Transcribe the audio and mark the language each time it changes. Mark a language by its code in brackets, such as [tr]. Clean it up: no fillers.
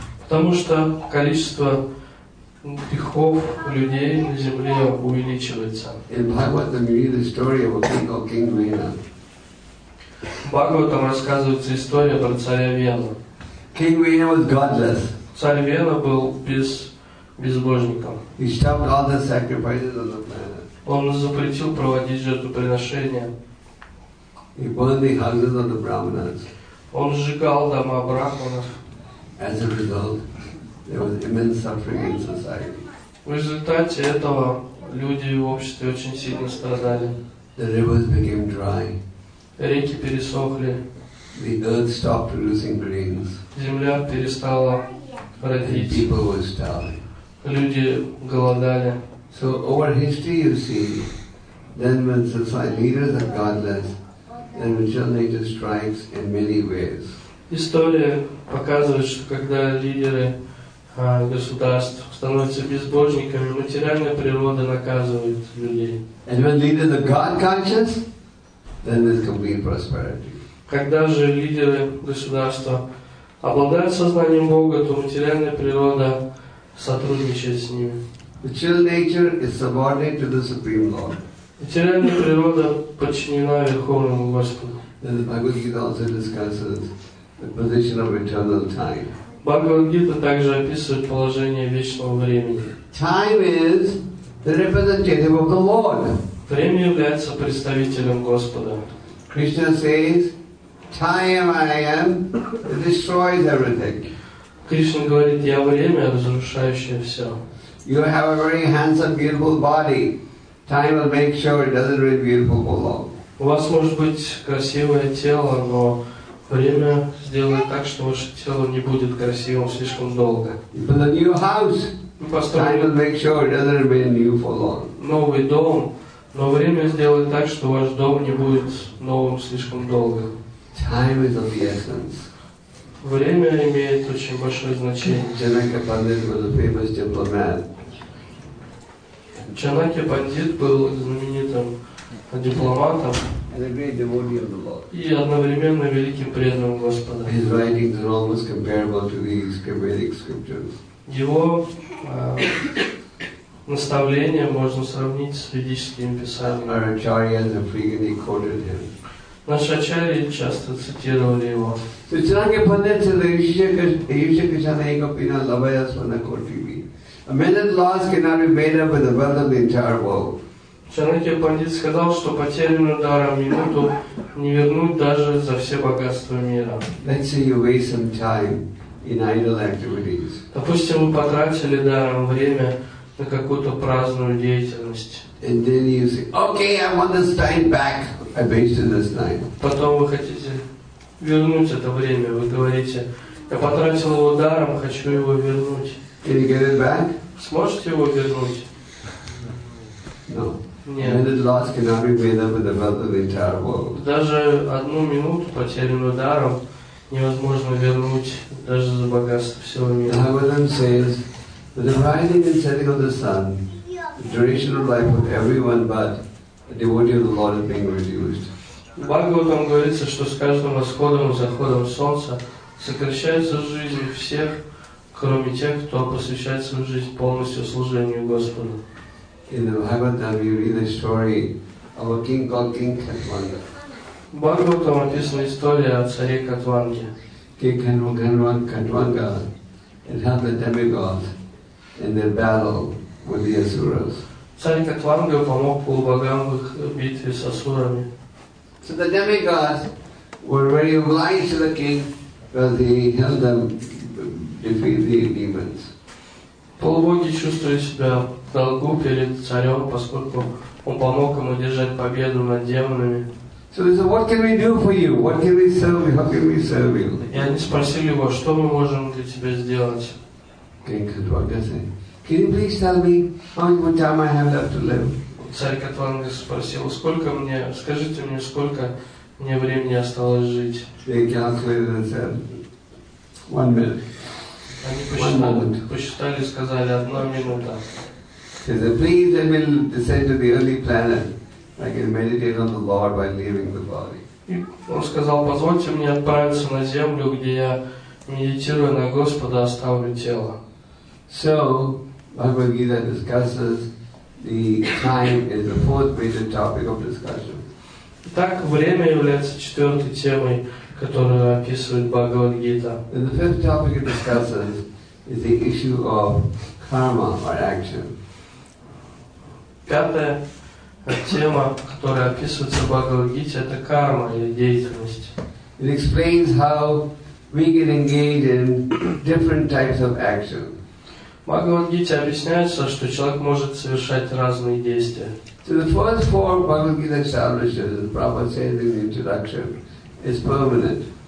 [ru] Потому что количество грехов людей на Земле увеличивается. [en] In Bhagavatam, you read the story of a king called King Vena. [ru] Бхагаватам рассказывается история про царя Вену. [en] King Vena was godless. [ru] Царь Вена был безбожником. [en] He stopped all the sacrifices on the planet. [ru] Он запретил проводить жертвоприношения. [en] He burned the houses of the brahmanas. [ru] Он сжигал дома брахманов. [en] As a result, there was immense suffering in society. [ru] В результате этого люди в обществе очень сильно страдали. [en] The rivers became dry. [ru] Реки пересохли. [en] The earth stopped producing grains. [ru] Земля перестала родить. [en] And people were starving. [ru] Люди голодали. [en] So over history, you see, then when society leaders are godless, and material nature strikes in many ways. [ru] История показывает, что когда лидеры государств становятся безбожниками, материальная природа наказывает людей. [en] And when leaders are God conscious, then there's complete prosperity. [ru] Когда же лидеры государства обладают сознанием Бога, то материальная природа сотрудничает с ними. [en] The chill nature is subordinate to the Supreme Lord. [ru] Материальная природа подчинена Верховному Господу. [en] And the Bhagavad Gita also discusses the position of eternal time. [ru] Бхагавад-гита также описывает положение вечного времени. [en] Time is the representative of the Lord. [ru] Время является представителем Господа. [en] Krishna says, time I am, it destroys everything. [ru] Кришна говорит, я время, разрушающее все. [en] You have a very handsome, beautiful body. Time will make sure it doesn't remain beautiful for long. [ru] У вас может быть красивое тело, но время сделает так, что ваше тело не будет красивым слишком долго. [en] But a new house, time will make sure it doesn't remain new for long. [ru] Новый дом, но время сделает так, что ваш дом не будет новым слишком долго. [en] Time is of the essence. [ru] Время имеет очень большое значение. [en] Janaka Pandit was a famous diplomat. [ru] Janaka Pandit был знаменитым дипломатом. [en] And a great devotee of the Lord. [ru] И одновременно великим преданным Господа. [en] His writings are almost comparable to these Vedic scriptures. [ru] Его наставления можно сравнить с ведическими писаниями. [en] Our acharyas have frequently quoted him. [ru] Наши ачарьи часто цитировали его. [en] So Janaka Pandit said, [sa] Ayushya Kishana Ekapina Labaya Swana Kotibi. [en] A minute loss cannot be made up with the wealth of the entire world. [ru] Чанакья Пандит сказал, что потерянную даром минуту не вернуть даже за все богатства мира. [en] Let's say you waste some time in idle activities. [ru] Допустим, вы потратили даром время на какую-то праздную деятельность. [en] And then you say, okay, I want this time back. I wasted this time. [ru] Потом вы хотите вернуть это время. Вы говорите, я потратил его даром, хочу его вернуть. [en] Can you get it back? [ru] Сможете его вернуть? [en] No. [ru] Нет. [en] And the loss cannot be made up with the wealth of the entire world. [ru] Даже одну минуту потерянную даром невозможно вернуть даже за богатство всего мира. [en] The Bhagavatam says, the rising and setting of the sun, the duration of life of everyone but the devotee of the Lord is being reduced. [ru] В Бхагаватам говорится, что с каждым восходом и заходом солнца сокращается жизнь всех, кроме тех, кто посвящает свою жизнь полностью служению Господу. [en] In the Bhagavatam, you read the story of a king called King Khatwanga. [ru] В Бхагаватам описана история о царе Катванге. [en] King Khatwanga had helped the demigod in their battle with the Asuras. [ru] Царь Катванга помог полубогам в битве с Асурами. [en] So the demigods were very obliged to the king because he helped them defeat the demons. [ru] Полубоги чувствовали себя в долгу перед царем, поскольку он помог им одержать победу над демонами. [en] So they said, what can we do for you? What can we serve you? How can we serve you? [ru] И они спросили его, что мы можем для тебя сделать? [en] King Khatwanga said, can you please tell me how much time I have left to live? [ru] Царь Катванга спросил, сколько мне, скажите мне, сколько мне времени осталось жить? [en] They calculated and said, 1 minute. [ru] Они посчитали и сказали, 1 минута. [en] He said, please, I will descend to the early planet. I can meditate on the Lord by leaving the body. [ru] Он сказал, позвольте мне отправиться на землю, где я медитирую на Господа, оставлю тело. [en] So, Bhagavad Gita discusses the time is the fourth major topic of discussion. [ru] Так время является четвертой темой, которую описывает Бхагавад Гита. [en] And the fifth topic it discusses is the issue of karma or action. [ru] Пятая тема, которая описывается в Бхагавад Гите, это карма или деятельность. [en] It explains how we can engage in different types of action. [ru] В Бхагавад-гите объясняется, что человек может совершать разные действия. [en] So the first form Bhagavad-gita establishes, as Prabhupada says in the introduction, is permanent.